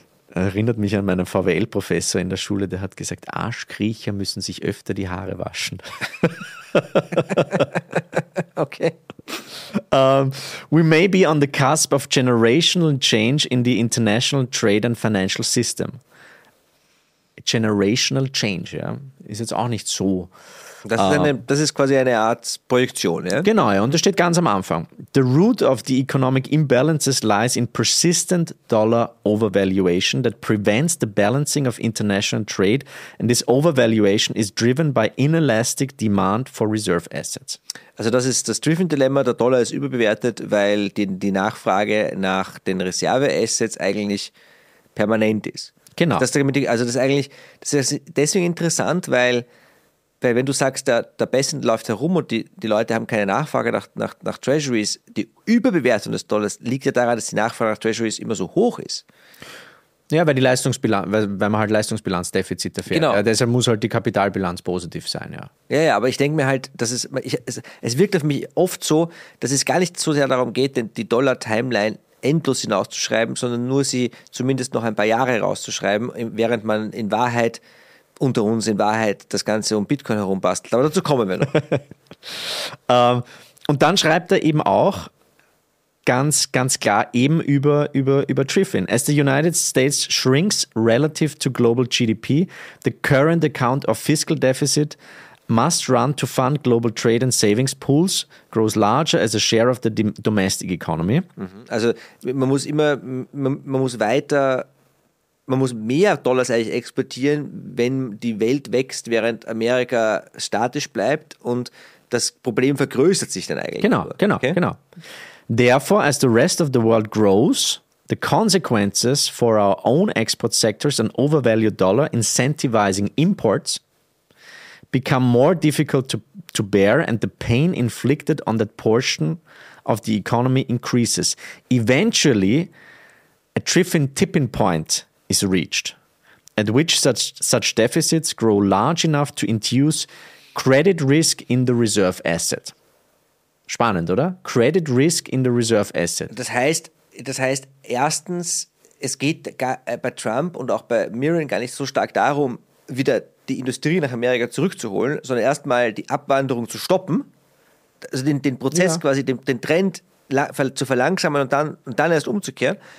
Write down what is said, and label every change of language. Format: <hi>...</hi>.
<de>erinnert mich an meinen VWL-Professor in der Schule, der hat gesagt, Arschkriecher müssen sich öfter die Haare waschen. Okay.</de> <en>We may be on the cusp of generational change in the international trade and financial system. Generational change,</en> <de>ja, ist jetzt auch nicht so. Das ist quasi eine Art Projektion, ja? Genau, ja, und das steht ganz am Anfang.</de> <en>The root of the economic imbalances lies in persistent dollar overvaluation that prevents the balancing of international trade, and this overvaluation is driven by inelastic demand for reserve assets.</en> <de>Also das ist das Driven-Dilemma, der Dollar ist überbewertet, weil die Nachfrage nach den Reserve-Assets eigentlich permanent ist. Genau. Das ist deswegen interessant, weil Weil wenn du sagst, der Bessent läuft herum und die Leute haben keine Nachfrage nach Treasuries, die Überbewertung des Dollars liegt ja daran, dass die Nachfrage nach Treasuries immer so hoch ist. Ja, weil die Leistungsbilanz, weil man halt Leistungsbilanzdefizit dafür hat. Genau. Deshalb muss halt die Kapitalbilanz positiv sein, ja. Ja, aber ich denke mir halt, es wirkt auf mich oft so, dass es gar nicht so sehr darum geht, denn die Dollar-Timeline endlos hinauszuschreiben, sondern nur sie zumindest noch ein paar Jahre rauszuschreiben, während man in Wahrheit, unter uns in Wahrheit, das Ganze um Bitcoin herum bastelt. Aber dazu kommen wir noch. Und dann schreibt er eben auch ganz, ganz klar eben über Triffin.</de> <en>As the United States shrinks relative to global GDP, the current account of fiscal deficit must run to fund global trade and savings pools, grows larger as a share of the domestic economy.</en> <de>Also man muss mehr Dollars eigentlich exportieren, wenn die Welt wächst, während Amerika statisch bleibt, und das Problem vergrößert sich dann eigentlich. Genau.</de> <en>Therefore, as the rest of the world grows, the consequences for our own export sectors and overvalued dollar incentivizing imports become more difficult to bear, and the pain inflicted on that portion of the economy increases. Eventually, a Triffin tipping point is reached, at which such deficits grow large enough to induce credit risk in the reserve asset.</en> <de>Spannend, oder?</de> <en>Credit risk in the reserve asset.</en> <de>Das heißt, erstens, es geht bei Trump und auch bei Mirren gar nicht so stark darum, wieder die Industrie nach Amerika zurückzuholen, sondern erstmal die Abwanderung zu stoppen, also den Prozess, ja, quasi den Trend zu verlangsamen und dann erst umzukehren.</de>